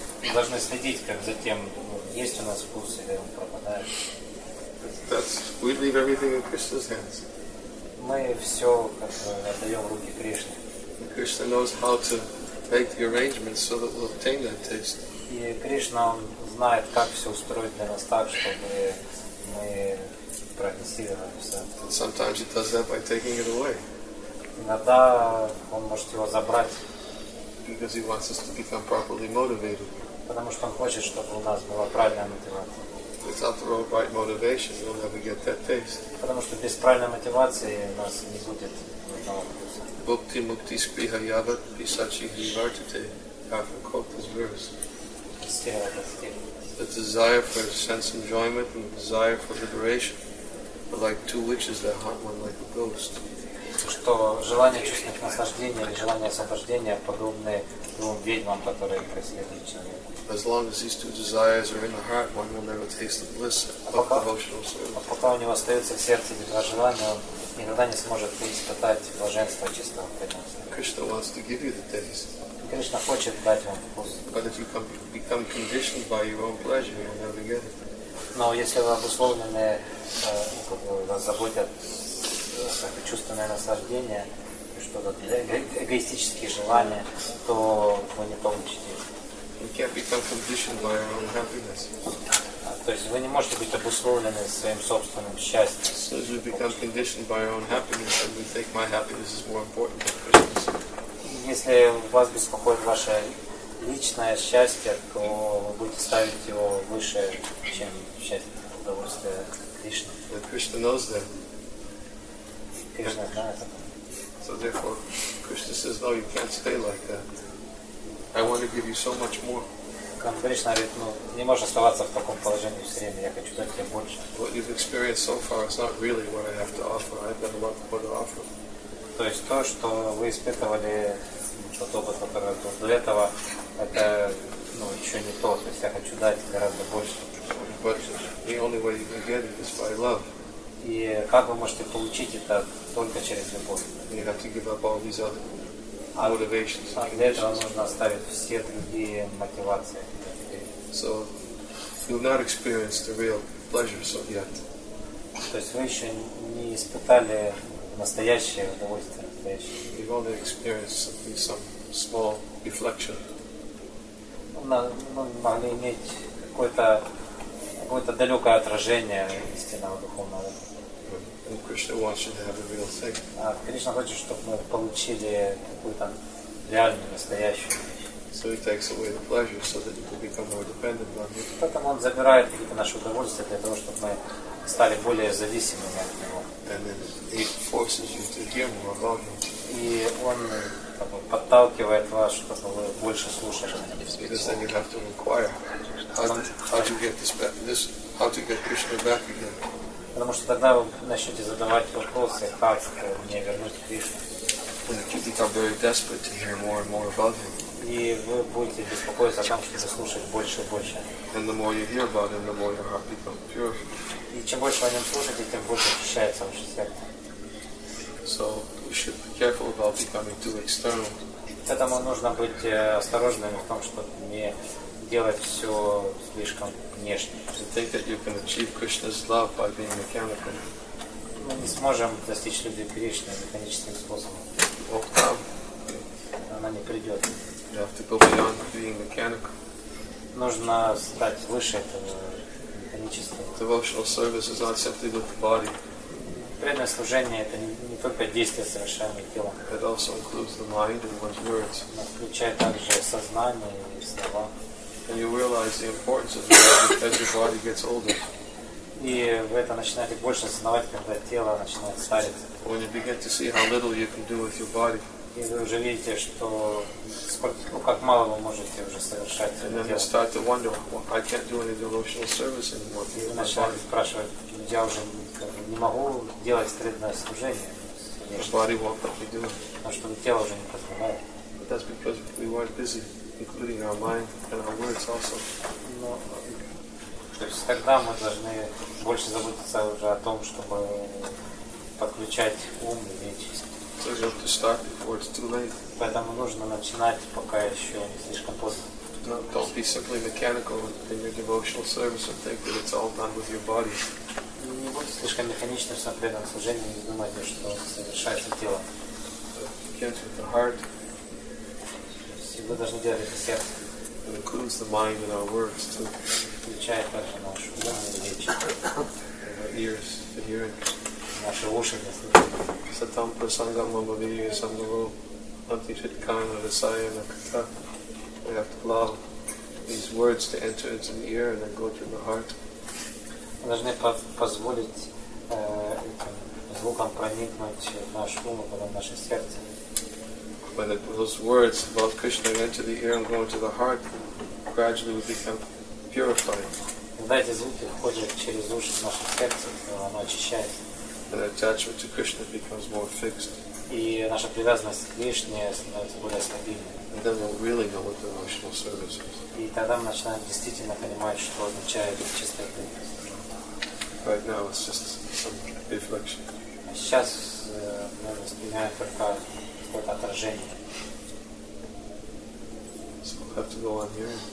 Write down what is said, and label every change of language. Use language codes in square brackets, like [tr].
[ru] Мы должны следить, как за тем, есть у нас вкус или он пропадает. [en] That's, we leave everything in Krishna's hands. [ru] Мы все как бы отдаем в руки Кришне. [en] And Krishna knows how to make the arrangements so that we'll obtain that taste. [ru] И Кришна, он знает, как все устроить для нас так, чтобы мы прогрессировали. [en] Sometimes he does that by taking it away. [ru] Иногда он может его забрать. [en] Because he wants us to become properly motivated. [ru] Потому что он хочет, чтобы у нас была правильная мотивация. [en] Without the right motivation, we'll never get that taste. [ru] Потому что без правильной мотивации у нас не будет этого вкуса. [sa] Bhukti mukti spriha yavat pisachi hivartite. [en] Half a quote this verse. The desire for sense enjoyment and the desire for liberation are like two witches that hunt one like a ghost. [ru] Что желание чувствовать наслаждение или желание освобождения подобны двум ведьмам, которые преследуют человека. [en] As long as these two desires are in the heart, one will never taste the bliss of devotional service. [ru] А пока у него остается в сердце эти два желания, он никогда не сможет испытать блаженство чистого преданства. [en] Krishna wants to give you the taste. [ru] Кришна хочет дать вам вкус. [en] But if you become conditioned by your own pleasure, you'll never get it. [ru] Но если вы обусловлены, как бы вас заботят чувственное наслаждение, что-то эгоистические желания, то вы не получите. [en] We can't become conditioned by our own happiness. [ru] То есть вы не можете быть обусловлены своим собственным счастьем. [en] So as we become conditioned by our own happiness, then we think my happiness is more important than Krishna's. [ru] Если вас беспокоит ваше личное счастье, то вы будете ставить его выше, чем счастье, удовольствие Кришны. [en] But Krishna knows that. [ru] Кришна знает это. [en] So therefore, Krishna says, no, you can't stay like that. I want to give you so much more. [ru] Кришна говорит, ну, не можешь оставаться в таком положении все время, я хочу дать тебе больше. [en] What you've experienced so far is not really what I have to offer. I've got a lot more to offer. [ru] То есть то, что вы испытывали, тот опыт, который был до этого, это, ну, еще не то. То есть я хочу дать гораздо больше. [en] But the only way you can get it is by love. [ru] И как вы можете получить это только через любовь? [en] You have to give up all these other motivations. [ru] А для этого нужно оставить все другие мотивации. [en] So you've not experienced the real pleasures of yet. [ru] То есть вы еще не испытали настоящее удовольствие, настоящее. [en] You've only experienced some small reflection. [ru] Мы могли иметь какое-то далекое отражение истинного духовного. [en] And Krishna wants you to have a real thing. [ru] Кришна хочет, чтобы мы получили какую-то реальную, настоящую вещь. [en] So he takes away the pleasure so that you can become more dependent on him. [ru] Поэтому он забирает какие-то наши удовольствия для того, чтобы мы стали более зависимыми от него. [en] And then he forces you to hear more about him. [ru] И он как бы подталкивает вас, чтобы вы больше слушали. [en] Because then you have to inquire how to get Krishna back again. [ru] Потому что тогда вы начнете задавать вопросы, как мне вернуть Кришну. [en] You become very desperate to hear more and more about him. [ru] И вы будете беспокоиться о том, чтобы слушать больше и больше. [en] And the more you hear about him, the more your heart becomes pure. [ru] И чем больше вы о нем слушаете, тем больше очищается ваше сердце. [en] So we should be careful about becoming too external. [ru] Поэтому нужно быть осторожными в том, чтобы не делать все слишком внешне. [en] To think that you can achieve Krishna's love by being mechanical. [ru] Мы не сможем достичь любви Кришны механическим способом. [en] Won't come. [ru] Она не придет. [en] You have to go beyond being mechanical. [ru] Нужно стать выше этого механического. [en] Devotional service is not simply with the body. [ru] Преданное служение — это не только действие совершенное тела. [en] It also includes the mind and one's words. [ru] Оно включает также сознание и слова. [en] And you realize the importance of that as your body gets older. [ru] И вы это начинаете больше осознавать, когда тело начинает стареть. [en] When you begin to see how little you can do with your body. [ru] И вы уже видите, что сколько, ну, как мало вы можете уже совершать. [en] And then you start to wonder, well, I can't do any devotional service anymore. [ru] И вы начинаете спрашивать, я уже не могу делать стритное служение. Потому что тело уже не позволяет. [en] But that's because we weren't busy, including our mind and our words also. [ru] Но, то есть тогда мы должны больше заботиться уже о том, чтобы подключать ум и нечисть. [en] So you have to start before it's too late. [ru] Поэтому нужно начинать, пока еще не слишком поздно. [en] No, don't be simply mechanical in your devotional service and think that it's all done with your body. [ru] Не будьте слишком механичны в своем преданном служении, не думайте, что совершается тело. [en] You can't with the heart. [ru] И вы должны делать это сердце. [en] It includes the mind and our words too. [ru] Включая также наш ум и речь. [en] And our ears, the hearing. [ru] Наши уши для слушания. [sa] Сатам прасангам мабавию самгаву антифиткана висая наката. [en] We have to allow these words to enter into the ear and then go through the heart. [ru] Мы должны позволить этим звукам проникнуть в наш ум, потом в наше сердце. [en] When those words about Krishna enter the ear and go into the heart, gradually we become purified. [ru] Когда эти звуки входят через уши в наше сердце, то оно очищается. [en] And attachment to Krishna becomes more fixed. [ru] И наша привязанность к Кришне становится более стабильной. [en] And then we'll really know what devotional service is. [ru] И тогда мы начинаем действительно понимать, что означает чистая преданность. [en] Right now it's just some reflection. [ru] А сейчас мы воспринимаем только какое-то отражение. [en] So we'll have to go on here.